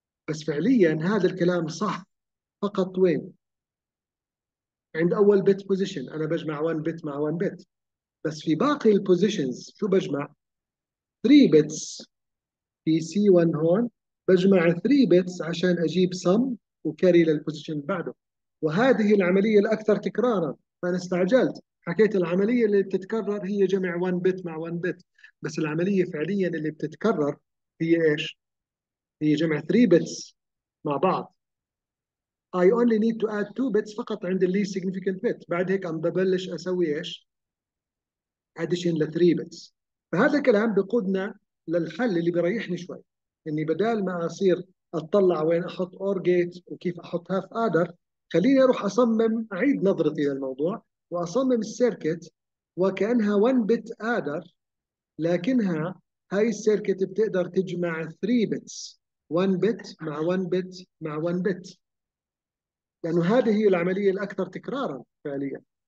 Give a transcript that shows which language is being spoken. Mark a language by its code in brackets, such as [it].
[ar] بس فعليا هذا الكلام صح فقط وين؟ عند أول بت بوزيشن، أنا بجمع 1 بت مع 1 بت، بس في باقي البوزيشنز شو بجمع؟ 3 بتس في C1 هون، بجمع 3 بتس عشان أجيب سم وكاري للبوزيشن بعده، وهذه العملية الأكثر تكرارا. فأنا استعجلت، حكيت العملية اللي بتتكرر هي جمع 1 بت مع 1 بت، بس العملية فعليا اللي بتتكرر هي إيش؟ هي جمع 3 بتس مع بعض. [en] I only need to add 2 bits [ar] فقط عند الـ [en] least significant bit، [ar] بعد هيك عم ببلش أسوي إيش؟ [en] addition لـ 3 bits. [ar] فهذا الكلام بقودنا للحل اللي بيريحني شوي، إني بدال ما أصير أطلع وين أحط OR gate وكيف أحط half adder، خليني أروح أصمم، أعيد نظرتي للموضوع وأصمم السيركت وكأنها 1 bit adder، لكنها هاي السيركت بتقدر تجمع 3 bits، 1 bit مع 1 bit مع 1 bit، لأنه هذه هي العملية الأكثر تكرارا فعليا.